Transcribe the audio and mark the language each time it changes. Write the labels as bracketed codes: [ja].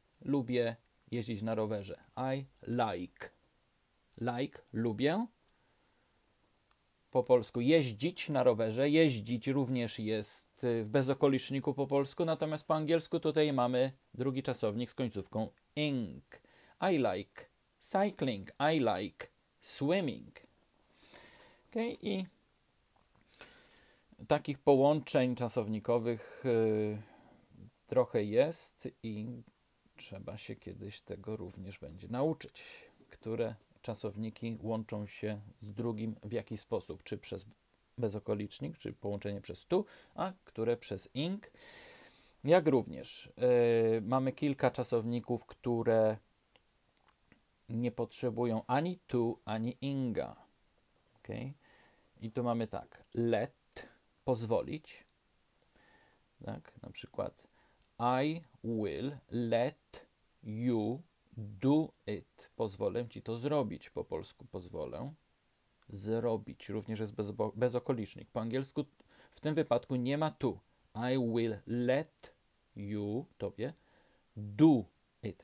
[pl] Lubię jeździć na rowerze. [en] I like. [pl] Like, lubię. Po polsku jeździć na rowerze. Jeździć również jest w bezokoliczniku po polsku, natomiast po angielsku tutaj mamy drugi czasownik z końcówką ing. [en] I like cycling, I like swimming. Okay? [pl] I takich połączeń czasownikowych trochę jest i trzeba się kiedyś tego również będzie nauczyć, które czasowniki łączą się z drugim w jaki sposób, czy przez bezokolicznik, czyli połączenie przez to, a które przez ing. Jak również mamy kilka czasowników, które nie potrzebują ani to, ani inga. Okay? I tu mamy tak. Let, pozwolić. Tak? Na przykład [en] I will let you do it. [pl] Pozwolę ci to zrobić. Po polsku pozwolę. Zrobić. Również jest bezokolicznik. Po angielsku w tym wypadku nie ma to. [en] I will let you, tobie, do it.